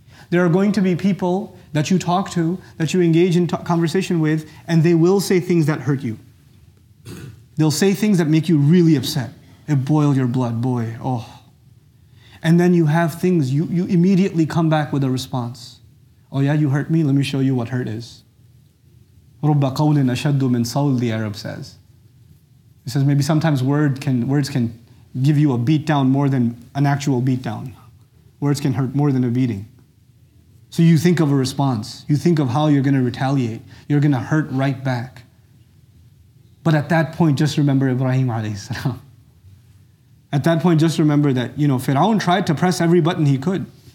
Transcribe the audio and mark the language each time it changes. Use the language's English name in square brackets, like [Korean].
[English] There are going to be people that you talk to, that you engage in conversation with, and they will say things that hurt you. They'll say things that make you really upset. It boils your blood, boy. Oh. And then you have things, you immediately come back with a response. Oh yeah, you hurt me? Let me show you what hurt is. [Arabic] رُبَّ قَوْلٍ أَشَدُّ مِنْ صَوْلٍ, [English] the Arab says. He says maybe sometimes words can give you a beat down more than an actual beat down. Words can hurt more than a beating. So you think of a response. You think of how you're going to retaliate. You're going to hurt right back. But at that point, just remember Ibrahim alayhi salam. At that point, just remember that, you know, Fir'aun tried to press every button he could.